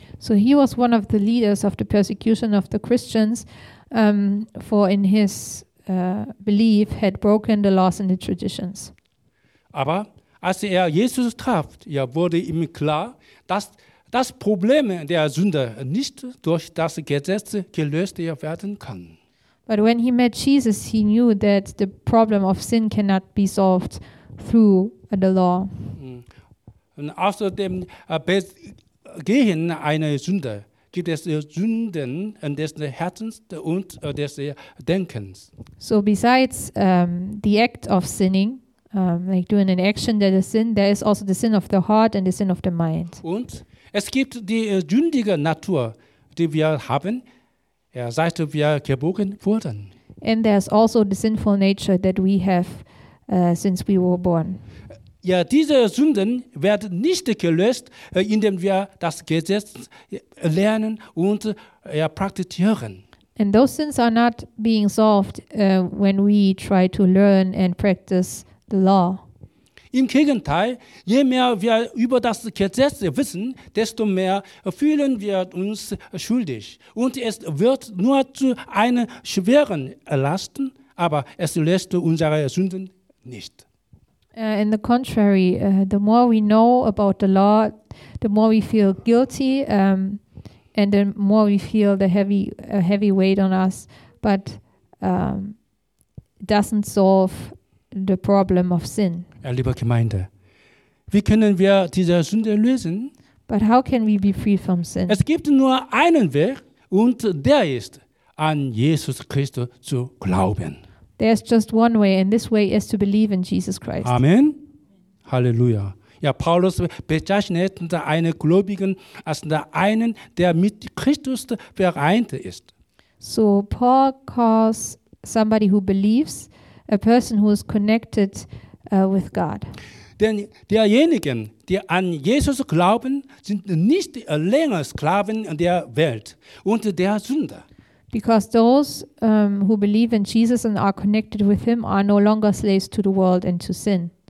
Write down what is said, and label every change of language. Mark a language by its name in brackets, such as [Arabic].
[English] So he was one of the leaders of the persecution of the Christians, for in his belief had broken the laws and the traditions. [German] Aber als er Jesus traf, ja, wurde ihm klar, dass das Problem der Sünder nicht durch das Gesetz gelöst werden kann. [English] But when he met Jesus, he knew that the problem of sin cannot be solved through the law. [German] Und außer dem Begehen einer Sünde gibt es Sünden des Herzens und des Denkens. [English] So besides the act of sinning, like doing an action that is sin, there is also the sin of the heart and the sin of the mind. [German] Und es gibt die sündige Natur, die wir haben, ja, seit wir geboren wurden. [English] And there's also the sinful nature that we have since we were born. [German] Ja, diese Sünden werden nicht gelöst, indem wir das Gesetz lernen und praktizieren. [English] And those sins are not being solved when we try to learn and practice the law. [German] Im Gegenteil, je mehr wir über das Gesetz wissen, desto mehr fühlen wir uns schuldig. Und es wird nur zu einer schweren Last, aber es löst unsere Sünden nicht. [English] In the contrary, the more we know about the law, the more we feel guilty, and the more we feel the heavy weight on us, but doesn't solve the problem of sin. [German] Liebe Gemeinde, wie können wir diese Sünde lösen? [English] But how can we be free from sin? [German] Es gibt nur einen Weg und der ist, an Jesus Christus zu glauben. [English] There's just one way and this way is to believe in Jesus Christ. Amen. Halleluja. [German] Ja, Paulus bezeichnet einen Gläubigen als einen, der mit Christus vereint ist. [English] So Paul calls somebody who believes a person who is connected with God. [German] Denn diejenigen, die an Jesus glauben, sind nicht länger Sklaven der Welt und der Sünde. [English] Because those who believe in Jesus and are connected with him are no longer slaves to the world and to sin.